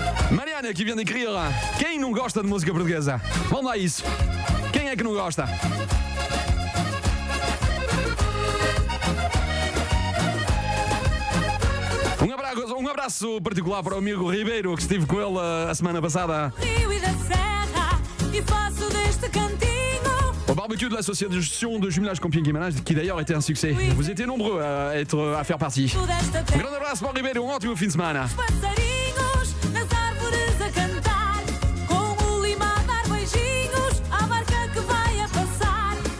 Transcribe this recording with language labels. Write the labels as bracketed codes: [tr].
[fr] Mariana qui vient d'écrire: [pt] quem não gosta de música portuguesa? Vamos lá isso. Quem é que não gosta? Um abraço particular para o amigo Ribeiro, que estive com ele a semana passada. Rio e da Serra, e faço deste cantinho. [fr] O barbecue de l'association de jumelage com Pinguim Manage, que d'ailleurs était un succès. Oui. Vous étiez nombreux à être à faire partie. [pt] Um grande abraço para o Ribeiro, um ótimo fim de semana. Os passarinhos nas árvores a cantar, com o lima a dar beijinhos à barca que vai a passar.